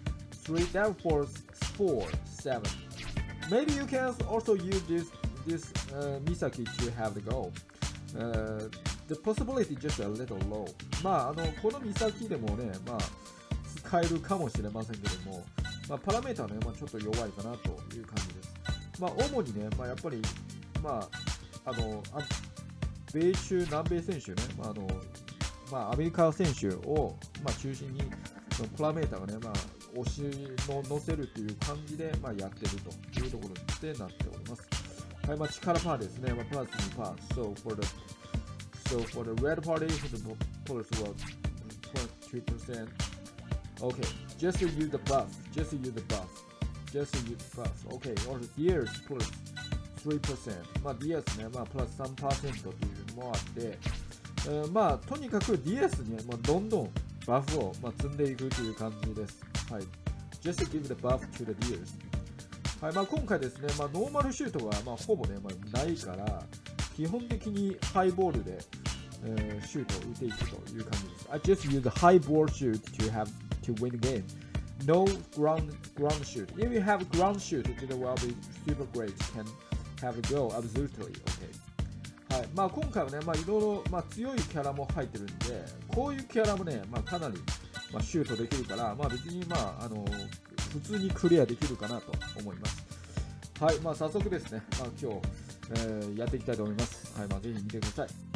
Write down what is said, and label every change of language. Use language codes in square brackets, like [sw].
[en] 4, 5, 4, 7. Maybe you can also use this Misaki to have the goal. The possibility just a little low. [ja] まあ、この Misaki でもね、まあ、使えるかもしれませんけども、まあ、パラメータね、まあ、ちょっと弱いかなという感じです。まあ、主にね、まあ、やっぱり、まあ、米中、南米選手ね、まあ、まあ、アメリカ選手を、まあ、中心に、プラメーターがね、まあ、押しの乗せるという感じで、まあ、やってるというところでなっております。はい、まあ、力パーですね。まあ、プラス2パー。 [en] So for the red party, the pullers were 22%. Okay, just use the buff. Just use the buff. Just use the buff. Okay, or the Diaz pullers 3%. [ja] まあ、Diaz ね、まあ、プラス 3% というのもあって、まあ、とにかく DS に、まあ、どんどんバフを、まあ、積んでいくという感じです。 [en] はい。Just give the buff to the DS。 はい。 [ja] まあ、今回ですね、まあ、ノーマルシュートは、まあ、ほぼね、まあ、ないから、基本的にハイボールで、シュートを打っていくという感じです。 [en] I just use the high ball shoot to have to win the game. No ground shoot. If you have ground shoot, it will be super great. Can have a go absolutely. Okay. [ja] はい、まあ今回はね、まあいろいろ、まあ強いキャラも入ってるんで、こういうキャラもね、まあかなり、まあシュートできるから、まあ別にまあ、普通にクリアできるかなと思います。はい、まあ早速ですね、まあ今日、やっていきたいと思います。はい、まあぜひ見てください。